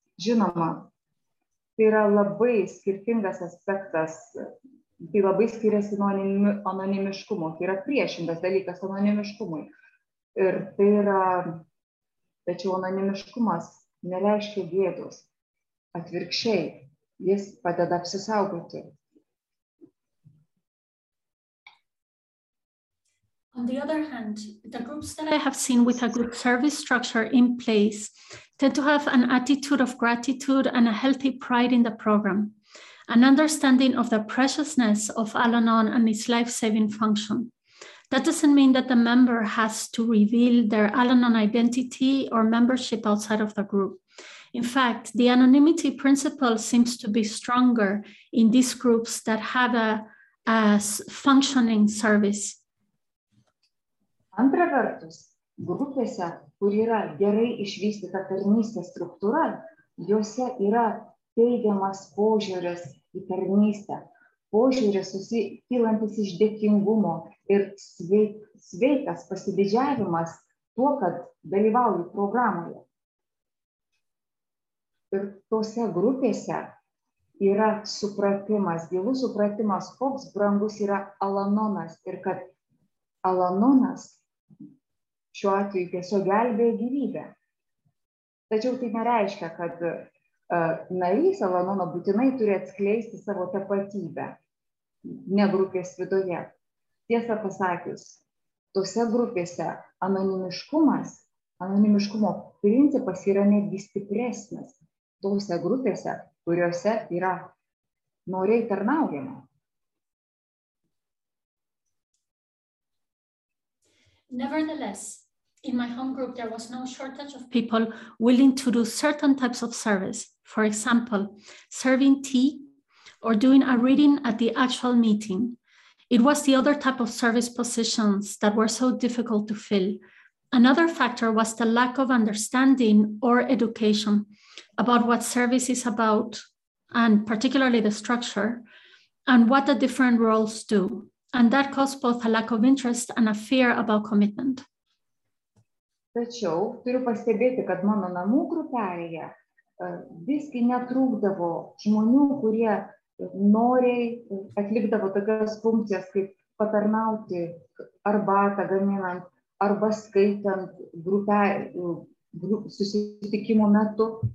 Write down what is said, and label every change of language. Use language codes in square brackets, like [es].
[lt] Žinoma, tai yra labai skirtingas aspektas, tai labai skiriasi nuo anonimiškumo, tai yra priešingas dalykas anonimiškumui. Ir tai yra, tačiau anonimiškumas nereiškia gėdos, atvirkščiai. Jis padeda apsisaugoti. [en] On the other hand, the groups that I have seen with a good service structure in place tend to have an attitude of gratitude and a healthy pride in the program, an understanding of the preciousness of Al-Anon and its life-saving function. That doesn't mean that the member has to reveal their Al-Anon identity or membership outside of the group. In fact, the anonymity principle seems to be stronger in these groups that have a functioning service. [lt] Antra vertus, grupėse, kur yra gerai išvystyta tarnystės struktūra, juose yra teigiamas požiūris į tarnystę, požiūris susikylantis iš dėkingumo ir sveikas pasididžiavimas tuo, kad dalyvauju programoje. Ir tose grupėse yra supratimas, gilus supratimas, koks brangus yra Al-Anonas ir kad Al-Anonas šiuo atveju tiesiog gelbėja gyvybę. Tačiau tai nereiškia, kad narys Al-Anono būtinai turi atskleisti savo tapatybę, ne grupės viduje. Tiesą pasakius, tose grupėse anonimiškumo principas yra netgi stipresnis. Tose grupėse, kuriuose yra noriai tarnaujama. [en] Nevertheless, in my home group, there was no shortage of people willing to do certain types of service. For example, serving tea or doing a reading at the actual meeting. It was the other type of service positions that were so difficult to fill. Another factor was the lack of understanding or education about what service is about, and particularly the structure, and what the different roles do. And that caused both a lack of interest and a fear about commitment. [lt] Tačiau turiu pastebėti, kad mano namų grupėje visgi netrūkdavo žmonių, kurie noriai atlikdavo tokias funkcijas, kaip patarnauti arbatą gaminant, arba skaitant susitikimo metu.